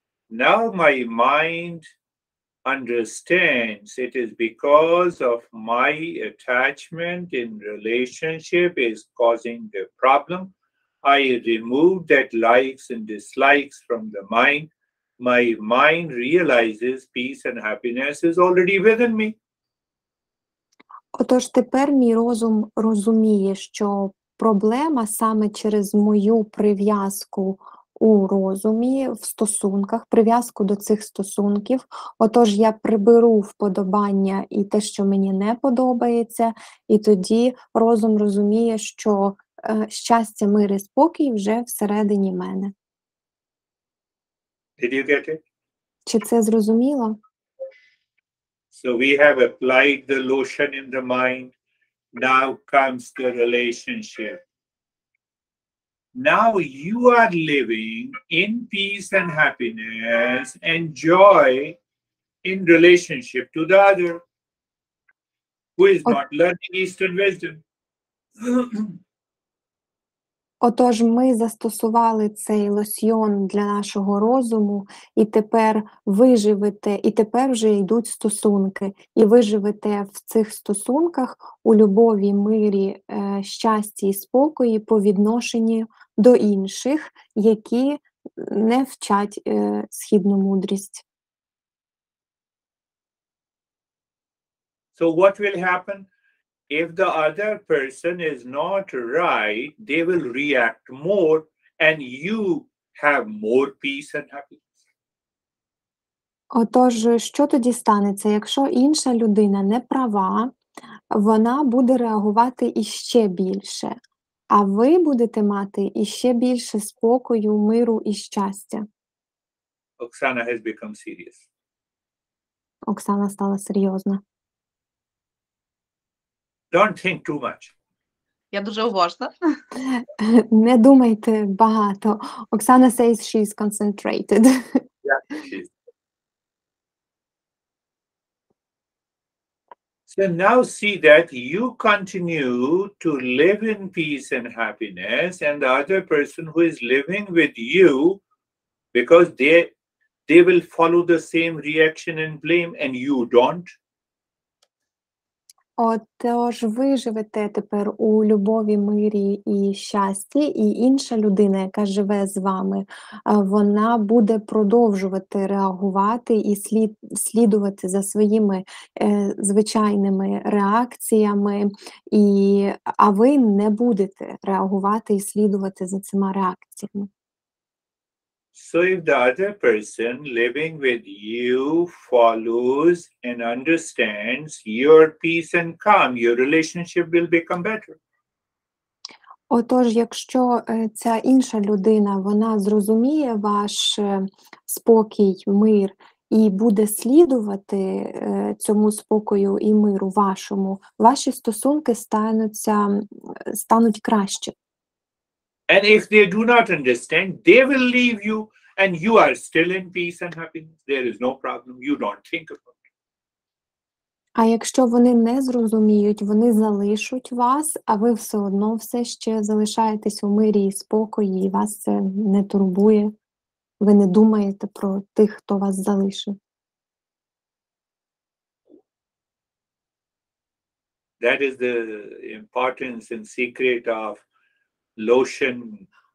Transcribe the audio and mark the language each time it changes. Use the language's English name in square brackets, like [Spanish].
[English] Now my mind understands it is because of my attachment in relationship is causing the problem. I remove that likes and dislikes from the mind. My mind realizes peace and happiness is already within me. [Ukrainian] Отож, тепер мій розум розуміє, що проблема саме через мою прив'язку у розумі, в стосунках, прив'язку до цих стосунків. Отож, я приберу вподобання і те, що мені не подобається, і тоді розум розуміє, що щастя, мир і спокій вже всередині мене. [English] Did you get it? [Ukrainian] Чи це зрозуміло? [English] So we have applied the lotion in the mind. Now comes the relationship. Now you are living in peace and happiness and joy in relationship to the other who is not learning Eastern wisdom. [Ukrainian] Отож, ми застосували цей лосьйон для нашого розуму, і тепер ви живете, і тепер вже йдуть стосунки. І ви живете в цих стосунках у любові, мирі, щасті і спокої по відношенню до інших, які не вчать східну мудрість. [English] So what will happen? If the other person is not right, they will react more and you have more peace and happiness. [Ukrainian] Отож, що тоді станеться, якщо інша людина не права, вона буде реагувати іще більше, а ви будете мати іще більше спокою, миру і щастя. [English] Оксана has become serious. [Ukrainian] Оксана стала серйозна. [English] Don't think too much. [Ukrainian] Я дуже уважна. Не думайте багато. [English] Оксана says she's concentrated. Yeah, she is. So now see that you continue to live in peace and happiness and the other person who is living with you, because they will follow the same reaction and blame and you don't. [Ukrainian] Отож, ви живете тепер у любові, мирі і щасті, і інша людина, яка живе з вами, вона буде продовжувати реагувати і слідувати за своїми звичайними реакціями, а ви не будете реагувати і слідувати за цими реакціями. [English] So if the other person living with you follows and understands your peace and calm, your relationship will become better. [Ukrainian] Отож, якщо ця інша людина, вона зрозуміє ваш спокій, мир і буде слідувати цьому спокою і миру вашому, ваші стосунки стануть краще. [English] And if they do not understand, they will leave you. And you are still in peace and happiness. There is no problem. You don't think about it. [Ukrainian] А якщо вони не зрозуміють, вони залишать вас, а ви все одно все ще залишаєтесь у мирі і спокої, і вас це не турбує. Ви не думаєте про тих, хто вас залишив. [English] That is the importance and secret of lotion.